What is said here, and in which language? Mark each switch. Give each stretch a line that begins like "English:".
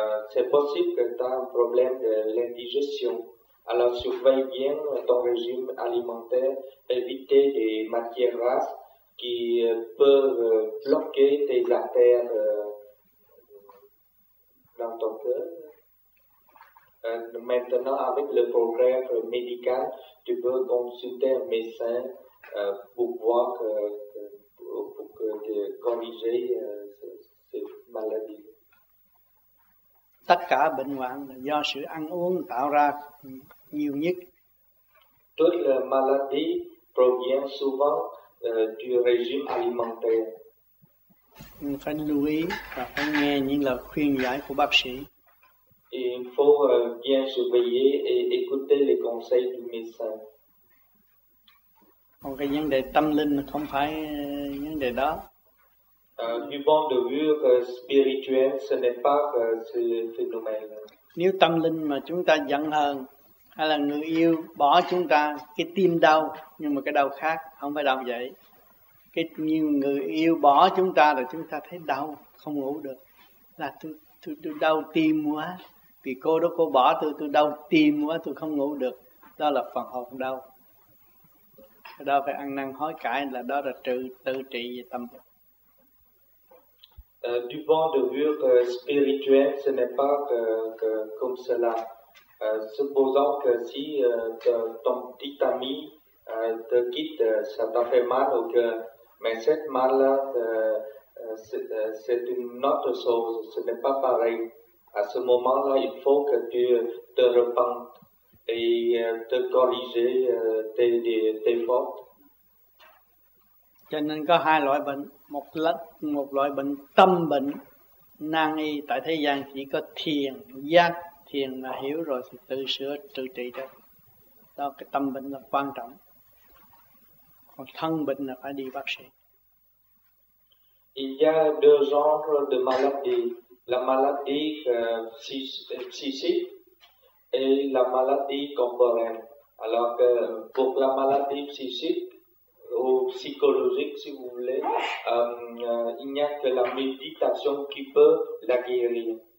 French: C'est possible que tu as un problème de l'indigestion. Alors surveille bien ton régime alimentaire, évite les matières grasses qui peuvent bloquer tes artères dans ton cœur. Maintenant, avec le progrès médical, tu peux consulter un médecin pour voir pour corriger cette maladie.
Vietnamese: Tất cả bệnh hoạn là do sự ăn uống tạo ra nhiều nhất.
French: Toutes les maladies proviennent souvent du régime alimentaire.
Vietnamese: Mình phải lưu ý và phải nghe những lời khuyên giải của bác sĩ.
French: Il faut bien surveiller et écouter les conseils du médecin.
Vietnamese: Còn cái vấn đề tâm linh không phải vấn đề đó.
French: Du point de vue spirituel, ce n'est pas ce phénomène.
Vietnamese: Nếu tâm linh mà chúng ta giận hờn hay là người yêu bỏ chúng ta, cái tim đau nhưng mà cái đau khác, không phải đau vậy. Cái như người yêu bỏ chúng ta là chúng ta thấy đau không ngủ được, là tôi đau tim quá, vì cô đó cô bỏ tôi đau tim quá, tôi không ngủ được, đó là phần hồn đau. Đó phải ăn năn hối cải, là đó là tự trị về tâm.
French: Du point de vue spirituel, ce n'est pas que comme cela. Supposons que si ton petit ami te quitte, ça t'a fait mal au cœur, mais cette mal-là, c'est une autre chose, ce n'est pas pareil. À ce moment-là, il faut que tu te repentes et te corriger tes fautes.
Vietnamese: Cho nên có hai loại bệnh, một loại bệnh tâm bệnh nan y, tại thế gian chỉ có thiền, giác thiền mà hiểu rồi thì tự sửa tự trị được. Đó, cái tâm bệnh là quan trọng. Còn thân bệnh là phải đi bác sĩ.
French: Il y a deux genres de maladies, la maladie psychique et la maladie corporelle. Alors que pour la maladie psychique ou psychologique, si vous voulez, il n'y a que la méditation qui peut la guérir.